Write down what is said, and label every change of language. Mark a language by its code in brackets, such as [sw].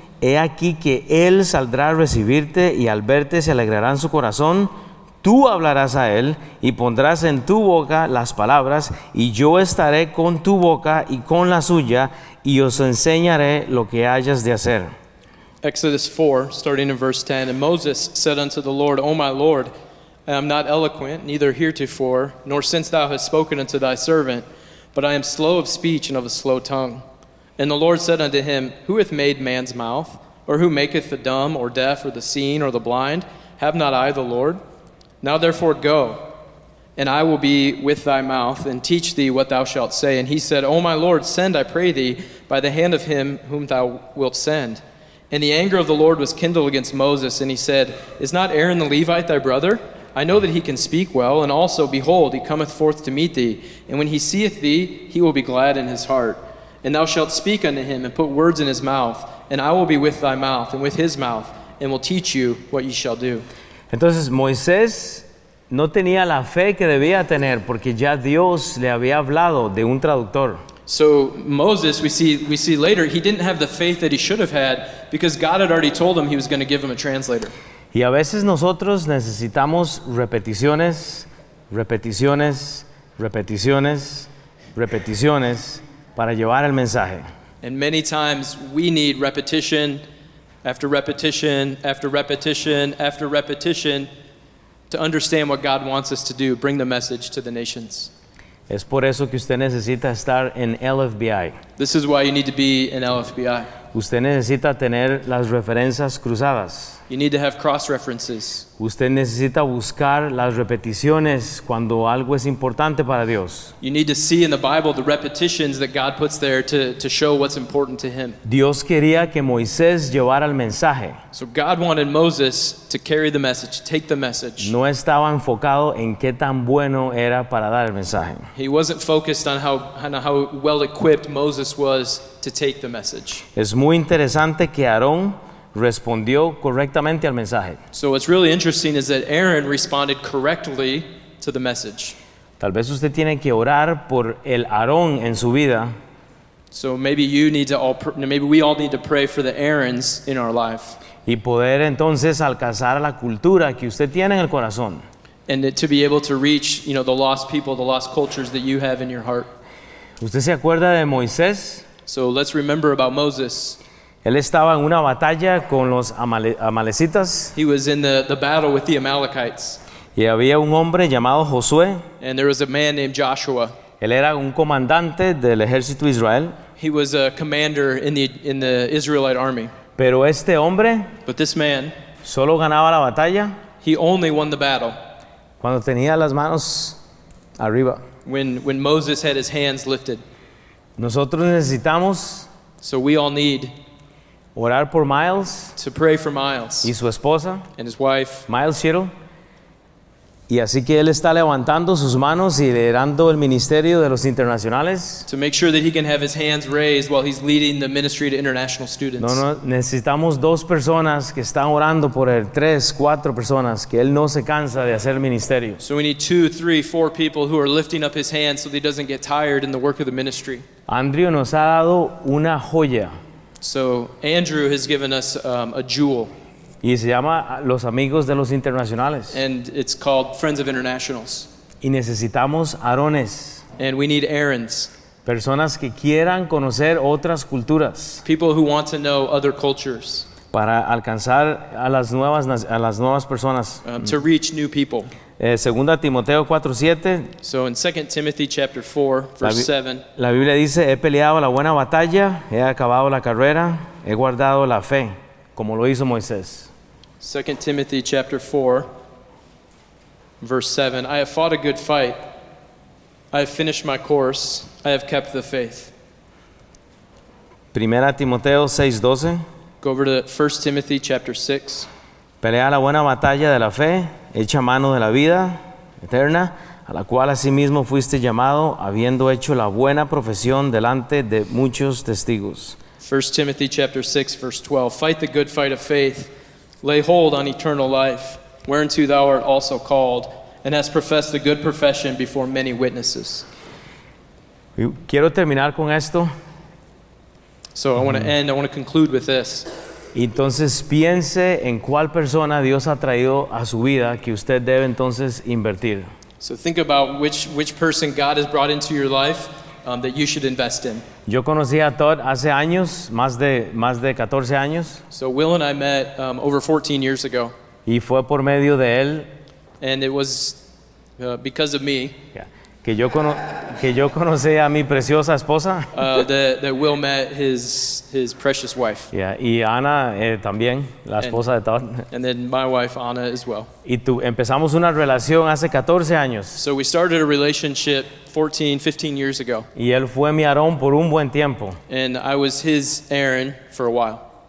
[es] He aquí que él saldrá a recibirte y al verte se alegrará en su corazón. Tú hablarás a él y pondrás en tu boca las palabras y yo estaré con tu boca y con la suya y os enseñaré lo que hayas de hacer. [en] Exodus 4, starting in verse 10. And Moses said unto the Lord, O my Lord, I am not eloquent, neither heretofore, nor since thou hast spoken unto thy servant, but I am slow of speech and of a slow tongue. And the Lord said unto him, Who hath made man's mouth? Or who maketh the dumb or deaf or the seeing or the blind? Have not I the Lord? Now therefore go, and I will be with thy mouth, and teach thee what thou shalt say. And he said, O my Lord, send, I pray thee, by the hand of him whom thou wilt send. And the anger of the Lord was kindled against Moses, and he said, Is not Aaron the Levite thy brother? I know that he can speak well, and also, behold, he cometh forth to meet thee. And when he seeth thee, he will be glad in his heart. And thou shalt speak unto him, and put words in his mouth, and I will be with thy mouth, and with his mouth, and will teach you what ye shall do. [es] Entonces Moisés no tenía la fe que debía tener porque ya Dios le había hablado de un traductor. [en] So Moses, we see later, he didn't have the faith that he should have had because God had already told him he was going to give him a translator. [es] Y a veces nosotros necesitamos repeticiones, repeticiones, repeticiones, repeticiones para llevar el mensaje. [en] And many times we need repetition after repetition, after repetition, after repetition, to understand what God wants us to do, bring the message to the nations. [es] Es por eso que usted necesita estar en LFBI. [en] This is why you need to be in LFBI. [es] Usted necesita tener las referencias cruzadas. [en] You need to have cross references. [es] Usted necesita buscar las repeticiones cuando algo es importante para Dios. [en] You need to see in the Bible the repetitions that God puts there to show what's important to him. [es] Dios quería que Moisés llevara el mensaje. [en] So God wanted Moses to carry the message, take the message. [es] No estaba enfocado en qué tan bueno era para dar el mensaje. [en] He wasn't focused on how well equipped Moses was to take the message. [es] Es muy interesante que Aarón respondió correctamente al mensaje. [en] So what's really interesting is that Aaron responded correctly to the message. [es] Tal vez usted tiene que orar por el Aarón en su vida. [en] So maybe we all need to pray for the Aarons in our life. [es] Y poder entonces alcanzar la cultura que usted tiene en el corazón. [en] And to be able to reach, you know, the lost people, the lost cultures that you have in your heart. [es] ¿Usted se acuerda de Moisés? [en] So let's remember about Moses. [es] Él estaba en una batalla con los amalecitas. [en] He was in the battle with the Amalekites. [es] Y había un hombre llamado Josué. [en] And there was a man named Joshua. [es] Él era un comandante del ejército de Israel. [en] He was a commander in the Israelite army. [es] Pero este hombre, [en] but this man, [es] solo ganaba la batalla. [en] He only won the battle. [es] Cuando tenía las manos arriba. [en] When Moses had his hands lifted. [es] Nosotros necesitamos. [en] So we all need. [es] Orar por Miles. [en] To pray for Miles. [es] Y su esposa. [en] And his wife. Miles Shittle. [es] Y así que él está levantando sus manos y liderando el ministerio de los internacionales. [en] To make sure that he can have his hands raised while he's leading the ministry to international students. [es] No, necesitamos dos personas que están orando por él. Tres, cuatro personas que él no se cansa de hacer el ministerio. [en] So we need two, three, four people who are lifting up his hands so that he doesn't get tired in the work of the ministry. [es] Andrew nos ha dado una joya. [en] So Andrew has given us a jewel. [es] Y se llama Los Amigos de los Internacionales. [en] And it's called Friends of Internationals. [es] Y necesitamos Aarones. [en] And we need Aarons. [es] Personas que quieran conocer otras culturas. [en] People who want to know other cultures. [es] Para alcanzar a las nuevas personas. [en] To reach new people. [es] Segunda Timoteo 4:7. [en] So in 2 Timothy chapter 4, verse 7. [es] La Biblia dice, he peleado la buena batalla, he acabado la carrera, he guardado la fe, como lo hizo Moisés. [en] 2 Timothy chapter 4, verse 7. I have fought a good fight. I have finished my course. I have kept the faith. [es] Primera Timoteo 6:12. [en] Go over to 1 Timothy chapter 6. [es] Pelea la buena batalla de la fe, echa mano de la vida eterna, a la cual asimismo fuiste llamado, habiendo hecho la buena profesión delante de muchos testigos. [en] 1 Timothy chapter 6, verse 12. Fight the good fight of faith. Lay hold on eternal life, whereunto thou art also called, and hast professed the good profession before many witnesses. [es] Quiero terminar con esto. [en] So I want to end, I want to conclude with this. [es] Entonces piense en cuál persona Dios ha traído a su vida que usted debe entonces invertir. [en] So think about which person God has brought into your life that you should invest in. [es] Yo conocí a Todd hace años, más de 14 años. [en] So Will and I met over 14 years ago. [es] Y fue por medio de él. [en] And it was because of me. [es] Yeah. Que yo conocí a mi preciosa esposa. [en] That Will met his precious wife. [es] Yeah, y Ana también, la esposa de Todd. [en] And then my wife, Ana, as well. [es] Y empezamos una relación hace 14 años. [en] So we started a relationship 14, 15 years ago. [es] Y él fue mi Aarón por un buen tiempo. [en] And I was his Aaron for a while.